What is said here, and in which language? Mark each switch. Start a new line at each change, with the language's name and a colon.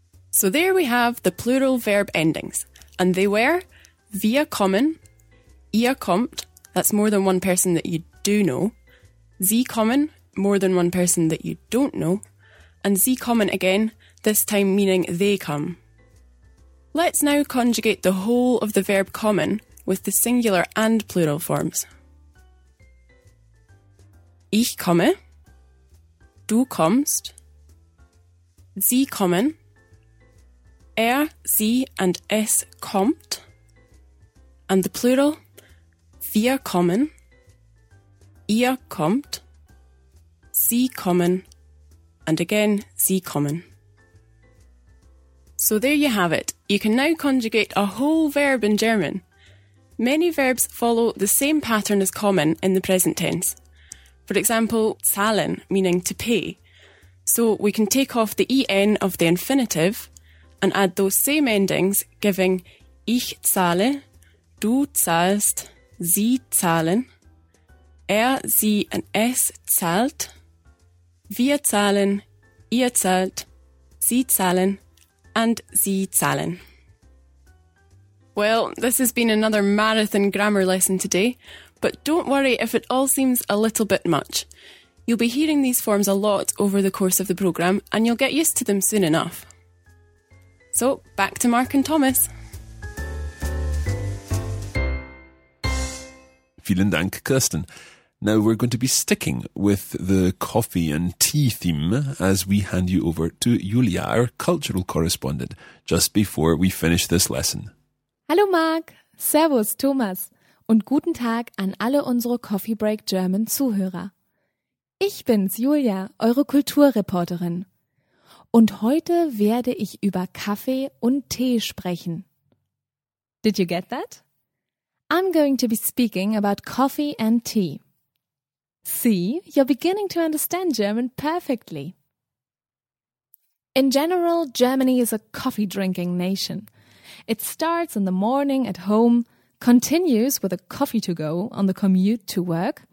English: So there we have the plural verb endings, and they were via kommen,
German: ihr kommt,
English: that's more than one person that you do know,
German: sie kommen,
English: more than one person that you don't know, and sie kommen again, this time meaning they come. Let's now conjugate the whole of the verb kommen with the singular and plural forms.
German: Ich komme, du kommst, sie kommen, sie and es kommt,
English: and the plural,
German: wir kommen, ihr kommt, sie kommen,
English: and again,
German: sie kommen.
English: So there you have it. You can now conjugate a whole verb in German. Many verbs follow the same pattern as kommen in the present tense. For example, zahlen, meaning to pay. So we can take off the en of the infinitive and add those same endings, giving
German: ich zahle, du zahlst, sie zahlen,
English: sie and es zahlt, wir zahlen, ihr zahlt, sie zahlen, and sie zahlen. Well, this has been another marathon grammar lesson today, but don't worry if it all seems a little bit much. You'll be hearing these forms a lot over the course of the programme, and you'll get used to them soon enough. So, back to Mark and Thomas.
German: Vielen Dank, Kirsten.
English: Now we're going to be sticking with the coffee and tea theme as we hand you over to Julia, our cultural correspondent, just before we finish this lesson.
German: Hallo Mark, Servus Thomas und guten Tag an alle unsere Coffee Break German Zuhörer. Ich bin's, Julia, eure Kulturreporterin. Und heute werde ich über Kaffee und Tee sprechen.
English: Did you get that? I'm going to be speaking about coffee and tea. See, you're beginning to understand German perfectly. In general, Germany is a coffee-drinking nation. It starts in the morning at home, continues with a coffee to go on the commute to work.